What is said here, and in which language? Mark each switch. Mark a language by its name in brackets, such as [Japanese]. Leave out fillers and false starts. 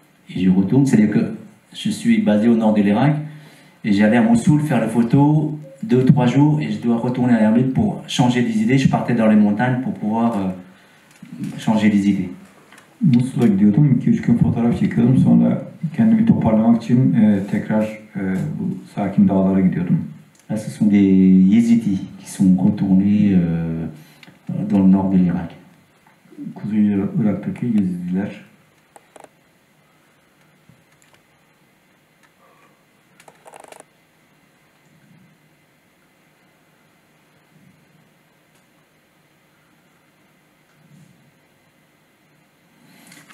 [French] Et je retourne, c'est-à-dire que je suis basé au nord de l'Irak et j'allais à Mossoul faire la photo 2-3 jours et je dois retourner à Erbil pour changer des idées. Je partais dans les montagnes pour pouvoir changer les idées. [Turkish] Mossoul'a gidiyordum, 2-3 gün fotoğraf çekiyordum, sonra kendimi toparlamak için tekrar bu sakin dağlara gidiyordum. [French] Là, ce sont des Yézidis qui sont retournés dans le nord de l'Irak. [Turkish] Kuzey Irak'taki Yézidiler.